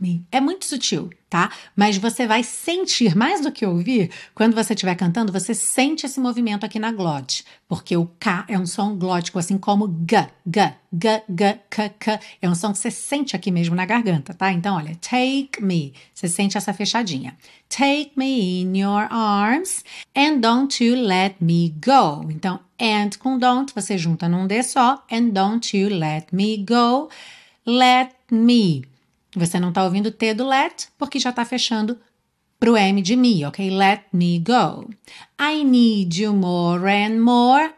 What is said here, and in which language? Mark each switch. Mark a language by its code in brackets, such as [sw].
[pt] É muito sutil, tá? Mas você vai sentir, mais do que ouvir, quando você estiver cantando, você sente esse movimento aqui na glote, porque o K é um som glótico, assim como G, G, G, G, K, K. É um som que você sente aqui mesmo na garganta, tá? Então, olha, take me. Você sente essa fechadinha. [en] Take me in your arms and don't you let me go. [pt] Então, and com don't, você junta num D só. [en] And don't you let me go. [pt] Let me. Você não está ouvindo o T do let, porque já está fechando para o M de me, ok? [en] Let me go. I need you more and more.